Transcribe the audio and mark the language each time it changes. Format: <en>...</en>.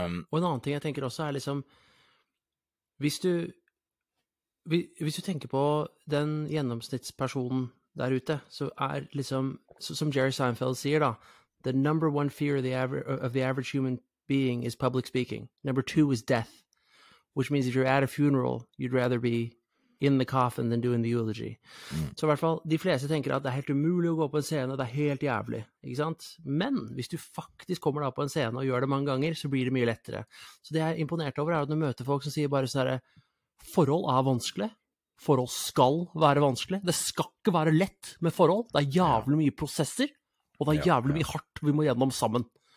<sv>Och en annan ting jag tänker också är liksom, hvis du tänker på den genomsnittspersonen där ute, så är liksom så, som Jerry Seinfeld säger då,</sv> <en>the number one fear of the average human being is public speaking. Number two is death, which means if you're at a funeral, you'd rather be in the coffin than doing the eulogy. Mm.</en> <no>Så i hvert fall, de fleste tenker at det er helt umulig å gå på en scene, det er helt jævlig, ikke sant? Men hvis du faktisk kommer da på en scene og gjør det mange ganger, så blir det mye lettere. Så det jeg er imponert over er at du møter folk som sier bare sånn her: forhold er vanskelig, forhold skal være vanskelig, det skal ikke være lett med forhold, det er jævlig mye prosesser, og det er jævlig mye hardt vi må gjennom sammen.</no>